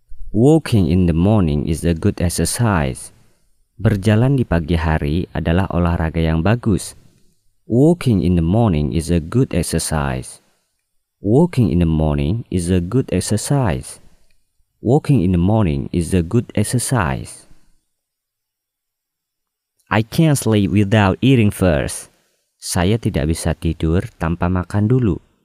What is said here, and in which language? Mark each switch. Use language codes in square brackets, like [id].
[en] Walking in the morning is a good exercise. [id] Berjalan di pagi hari adalah olahraga yang bagus. [en] Walking in the morning is a good exercise. Walking in the morning is a good exercise. Walking in the morning is a good exercise. I can't sleep without eating first. [id] Saya tidak bisa tidur tanpa makan dulu.